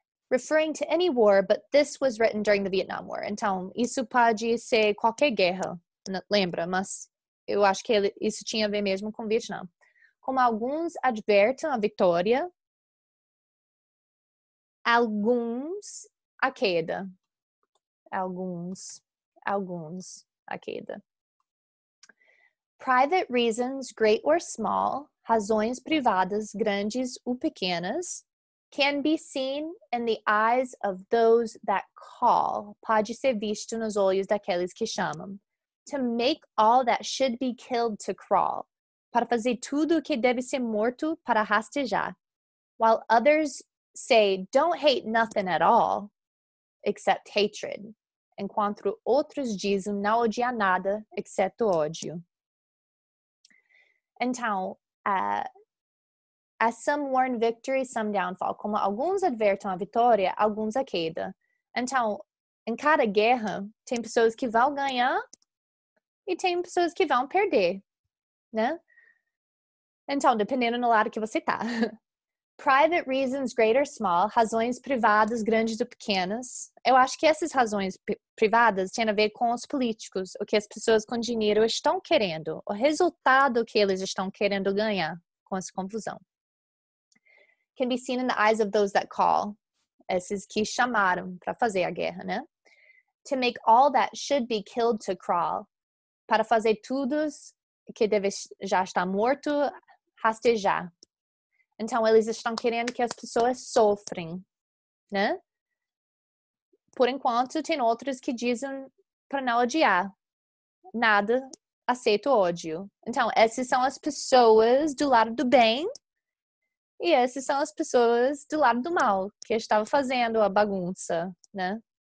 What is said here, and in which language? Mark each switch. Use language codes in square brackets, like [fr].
[en] Referring to any war, but this was written during the Vietnam War. [pt] Então, isso pode ser qualquer guerra, lembra? Mas eu acho que isso tinha a ver mesmo com o Vietnã. Como alguns advertem a vitória, alguns a queda. Alguns a queda. [en] Private reasons, great or small, [pt] razões privadas, grandes ou pequenas, [en] can be seen in the eyes of those that call. [pt] Pode ser visto nos olhos daqueles que chamam. [en] To make all that should be killed to crawl. [pt] Para fazer tudo o que deve ser morto para rastejar. [en] While others say, don't hate nothing at all, except hatred. [pt] Enquanto outros dizem, não odiar nada, exceto ódio. [en] Então, as some warn victory, some downfall. [pt] Como alguns advertem a vitória, alguns a queda. Então, em cada guerra, tem pessoas que vão ganhar e tem pessoas que vão perder, né? Então, dependendo do lado que você tá. [en] Private reasons, great or small. [pt] Razões privadas, grandes ou pequenas. Eu acho que essas razões privadas têm a ver com os políticos. O que as pessoas com dinheiro estão querendo. O resultado que eles estão querendo ganhar com essa confusão. [en] Can be seen in the eyes of those that call. [pt] Esses que chamaram para fazer a guerra, né? [en] To make all that should be killed to crawl. [pt] Para fazer tudo que deve já estar morto, rastejar. Então, eles estão querendo que as pessoas sofrem, né? Por enquanto, tem outros que dizem para não odiar. Nada, aceito ódio. Então, essas são as pessoas do lado do bem e essas são as pessoas do lado do mal, que estava fazendo a bagunça, né?